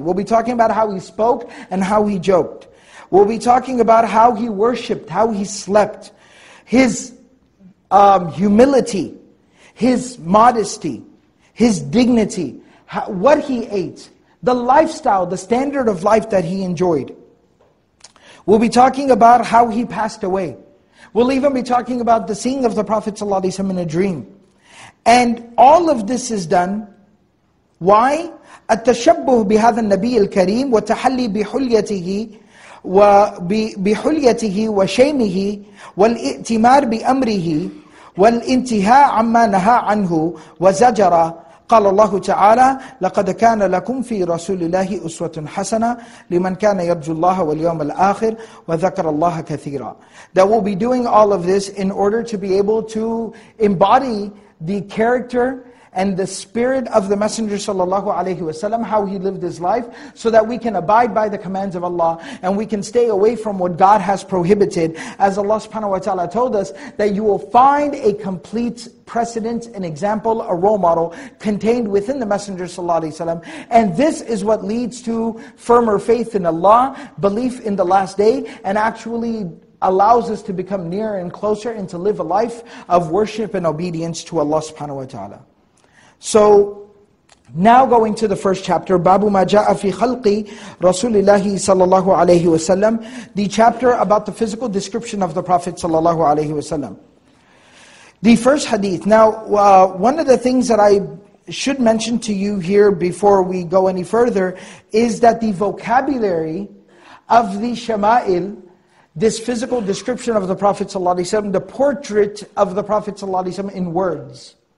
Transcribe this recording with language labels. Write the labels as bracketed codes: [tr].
[en] We'll be talking about how he spoke and how he joked. We'll be talking about how he worshipped, how he slept, his humility, his modesty, his dignity, what he ate, the lifestyle, the standard of life that he enjoyed. We'll be talking about how he passed away. We'll even be talking about the seeing of the Prophet ﷺ in a dream. And all of this is done, why? [ar] التشبه بهذا النبي الكريم وتحلي بحليته وبحليته وشيمه والائتمار بأمره والانتهاء عما نهى عنه وزجر. قال الله تعالى لقد كان لكم في رسول الله أسوة حسنة لمن كان يرجو الله واليوم الآخر وذكر الله كثيرا. [en] That we'll be doing all of this in order to be able to embody the character and the spirit of the Messenger sallallahu alaihi wasallam, how he lived his life, so that we can abide by the commands of Allah and we can stay away from what God has prohibited. As Allah subhanahu wa ta'ala told us, that you will find a complete precedent, an example, a role model contained within the Messenger sallallahu alaihi wasallam. And this is what leads to firmer faith in Allah, belief in the last day, and actually allows us to become nearer and closer and to live a life of worship and obedience to Allah subhanahu wa ta'ala. [ar] So, now going to the first chapter, بَابُ مَا جَاءَ فِي خَلْقِ رَسُولِ اللَّهِ صَلَّى اللَّهُ عَلَيْهِ وَسَلَّمُ. [en] The chapter about the physical description of the Prophet صلى الله عليه وسلم. The first hadith. Now, one of the things that I should mention to you here before we go any further is that the vocabulary of the Shama'il, this physical description of the Prophet صلى الله عليه وسلم, the portrait of the Prophet صلى الله عليه وسلم in words.